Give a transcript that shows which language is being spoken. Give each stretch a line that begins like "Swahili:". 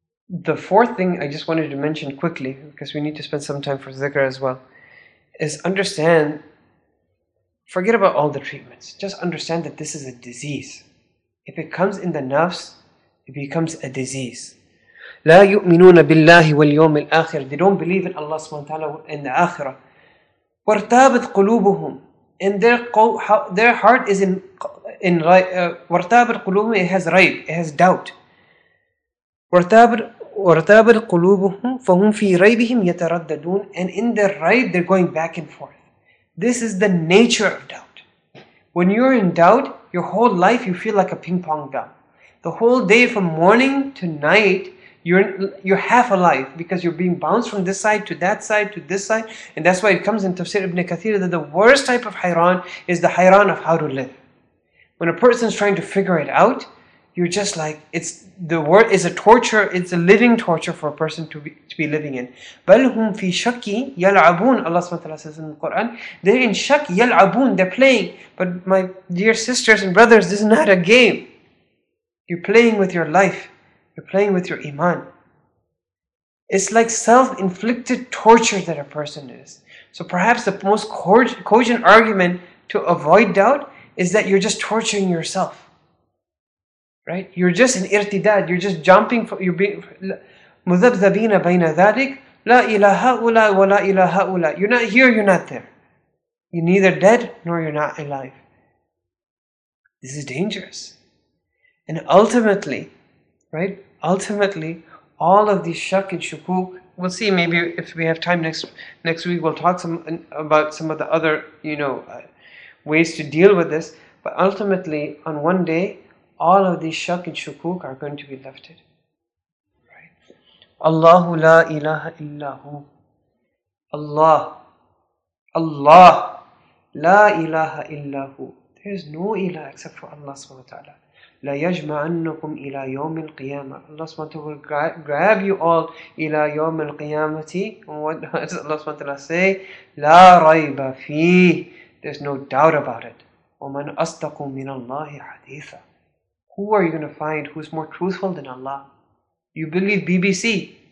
English: The fourth thing I just wanted to mention quickly, because we need to spend some time for zikr as well, is understand, forget about all the treatments, just understand that this is a disease. If it comes in the nafs, it becomes a disease.
Arabic: لا يؤمنون بالله واليوم الآخر.
English: They don't believe in Allah subhanahu wa ta'ala in the Akhirah.
Arabic: وارتابت قلوبهم.
English: And their heart is in
Arabic: وارتابت قلوبهم.
English: It has ريب. It has doubt.
Arabic: وارتابت قلوبهم فهم في ريبهم يترددون.
English: And in their ريب, they're going back and forth. This is the nature of doubt. When you're in doubt, your whole life you feel like a ping pong gun. The whole day from morning to night, you're half alive because you're being bounced from this side to that side to this side. And that's why it comes in Tafsir Ibn Kathir that the worst type of hayran is the hayran of how to live. When a person's trying to figure it out, you're just like, it's the word is a torture, it's a living torture for a person to be living in.
Arabic: بَلْهُمْ فِي شَكِّ يَلْعَبُونَ.
English: Allah subhanahu wa ta'ala says in the Quran, they're in shak yal'abun, they're playing. But my dear sisters and brothers, this is not a game. You're playing with your life. You're playing with your iman. It's like self-inflicted torture that a person is. So perhaps the most cogent argument to avoid doubt is that you're just torturing yourself. Right? You're just an irtidad. You're just jumping from, you're being
Arabic: مُذَبْذَبِينَ بَيْنَ ذَلِكَ لَا إِلَهَا أُولَى وَلَا إِلَهَا أُولَى.
English: You're not here, you're not there. You're neither dead nor you're not alive. This is dangerous. And ultimately, right, ultimately, all of these shak and shukuk, we'll see, maybe if we have time next week, we'll talk some about some of the other, ways to deal with this. But ultimately, on one day, all of these shak and shukuk are going to be lifted. Right? Allahu la ilaha illahu. Allah. Allah. La ilaha illahu. There is no ilah except for Allah subhanahu wa ta'ala.
Arabic: لا يجمعنكم إلى يوم القيامة.
English: Allah subhanahu wa ta'ala will grab you all
Arabic: إلى يوم القيامة.
English: What does Allah subhanahu wa ta'ala say?
Arabic: لا ريب فيه.
English: There's no doubt about it.
Arabic: ومن أصدق من الله حديثا.
English: Who are you going to find who's more truthful than Allah? You believe BBC.